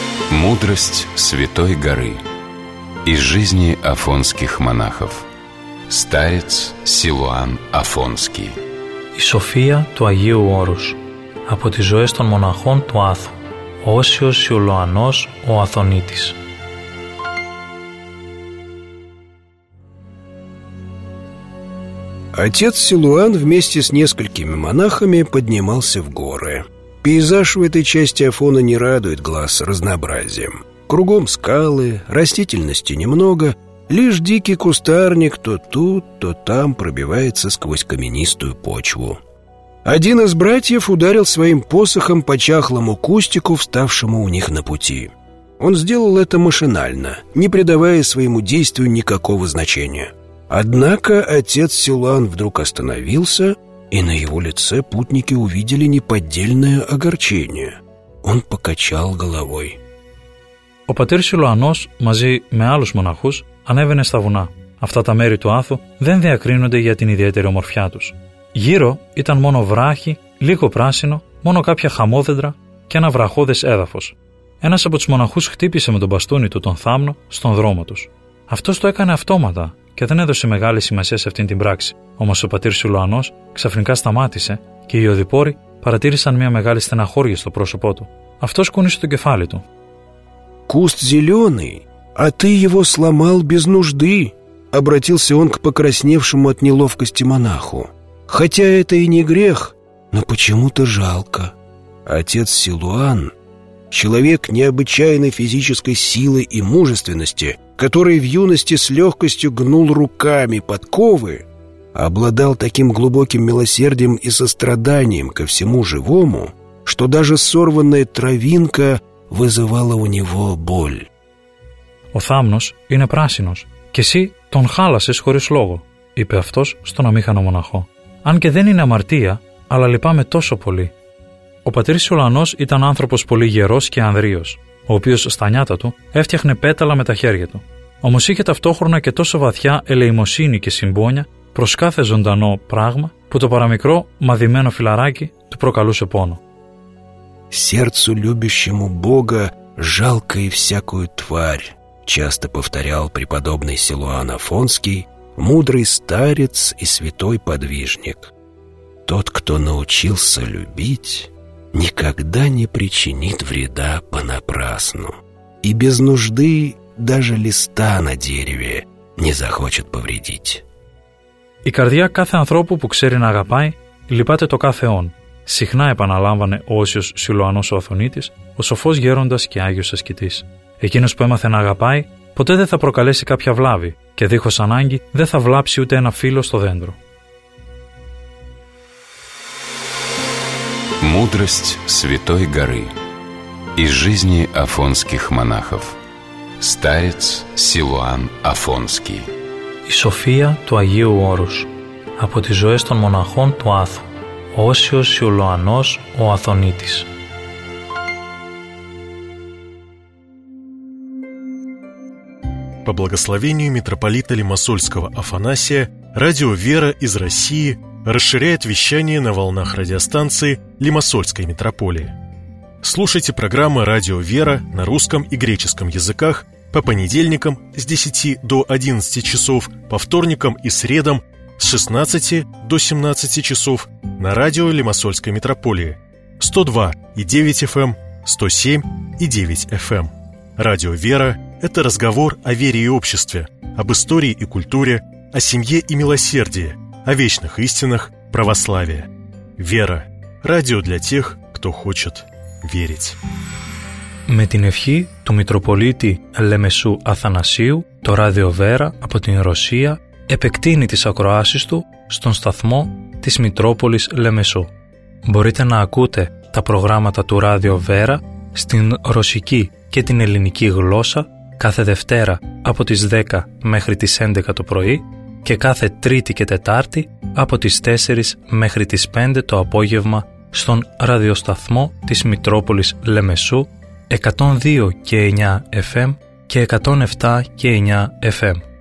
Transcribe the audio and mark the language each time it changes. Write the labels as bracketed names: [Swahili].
[Russian] Мудрость Святой Горы из жизни афонских монахов. Старец Силуан Афонский. [Greek] Η Σοφία του Αγίου Όρους από τις ζωές των μοναχών του Άθου. Όσιος Σιουλωανός ο Αθωνίτης. [Russian] Отец Силуан вместе с несколькими монахами поднимался в горы. Пейзаж в этой части Афона не радует глаз разнообразием. Кругом скалы, растительности немного, лишь дикий кустарник то тут, то там пробивается сквозь каменистую почву. Один из братьев ударил своим посохом по чахлому кустику, вставшему у них на пути. Он сделал это машинально, не придавая своему действию никакого значения. Однако отец Силуан вдруг остановился, и на его лице путники увидели неподдельное огорчение. Он покачал головой. [Greek] Ο πατήρ Силуανός μαζί με άλλους μοναχούς ανέβαινε στα βουνά. Αυτά τα μέρη του Άθου δεν διακρίνονται για την ιδιαίτερη ομορφιά τους. Γύρω ήταν μόνο βράχη, λίγο πράσινο, μόνο κάποια χαμόδεντρα και ένα βραχώδες έδαφος. Ένας από τους μοναχούς χτύπησε με τον μπαστούνι του τον θάμνο στον δρόμο τους. Αυτός το έκανε αυτόματα και δεν έδωσε μεγάλη σημασία σε αυτήν την πράξη. Όμως ο πατήρ Σιλουανός ξαφνικά σταμάτησε και οι οδηπόροι παρατήρησαν μια μεγάλη στεναχώρια στο πρόσωπό του. Αυτός κούνησε το κεφάλι του. [Russian] «Куст зеленый, а ты его сломал без нужды», обратился он к покрасневшему от неловкости монаху. «Хотя это и не грех, но почему-то жалко. Отец Силуан — человек необычайной физической силы и мужественности, который в юности с легкостью гнул руками подковы, обладал таким глубоким милосердием и состраданием ко всему живому, что даже сорванная травинка вызывала у него боль». [Greek] «Ο θάμνος είναι πράσινος και εσύ τον χάλασες χωρίς λόγο», είπε αυτός στον αμήχανο μοναχό. «Αν και δεν είναι αμαρτία, αλλά λυπάμαι τόσο πολύ». Ο πατήρ Σιωλανός ήταν άνθρωπος πολύ γερός και ανδρείος, ο οποίος στα νιάτα του έφτιαχνε πέταλα με τα χέρια του. Όμως είχε ταυτόχρονα και τόσο βαθιά ελεημοσύνη και συμπόνια προς κάθε ζωντανό πράγμα που το παραμικρό μαδημένο φυλαράκι του προκαλούσε πόνο. [Russian] «Сердцу любящему Бога жалко и всякую тварь», часто повторял преподобный Силуан Афонский, мудрый старец и святой подвижник. «Тот, кто научился любить, никогда не причинит вреда понапрасну, и без нужды даже листа на дереве не захочет повредить». [Greek] «И кардия каждого ανθρώπου, που ξέρει να αγαπάει, λυπάται το κάθε он», συχνά επαναλάμβανε ο Όσιος Σιλουανός ο Αθωνίτης, ο σοφός γέροντας και άγιος ασκητής. Εκείνος που έμαθε να αγαπάει, ποτέ δεν θα προκαλέσει κάποια βλάβη και δίχως ανάγκη δεν θα βλάψει ούτε ένα φύλλο στο δέντρο. [Russian] Мудрость Святой Горы. Из жизни афонских монахов. Старец Силуан Афонский. [Greek] Η σοφία του Αγίου Όρους. Από τις ζωές των μοναχών του Άθου. Όσιος Σιουλοανός ο Αθωνίτης. [Russian] По благословению митрополита Лимассольского Афанасия, радио «Вера» из России расширяет вещание на волнах радиостанции Лимассольской митрополии. Слушайте программы «Радио «Вера» на русском и греческом языках по понедельникам с 10 до 11 часов, по вторникам и средам с 16 до 17 часов на радио Лимассольской митрополии 102,9 FM, 107,9 FM. Радио «Вера» — это разговор о вере и обществе, об истории и культуре, о семье и милосердии, о вечных истинах православия. «Вера» — радио для тех, кто хочет верить. [Greek] Με την ευχή του Μητροπολίτη Λεμεσού Αθανασίου, το Radio Vera από την Ρωσία επεκτείνει τις ακροάσεις του στον σταθμό της Μητρόπολης Λεμεσού. Μπορείτε να ακούτε τα προγράμματα του Radio Vera στην ρωσική και την ελληνική γλώσσα κάθε Δευτέρα από τις 10 μέχρι τις 11 το πρωί και κάθε Τρίτη και Τετάρτη από τις 4 μέχρι τις 5 το απόγευμα στον ραδιοσταθμό της Μητρόπολης Λεμεσού 102 και 9 FM και 107 και 9 FM.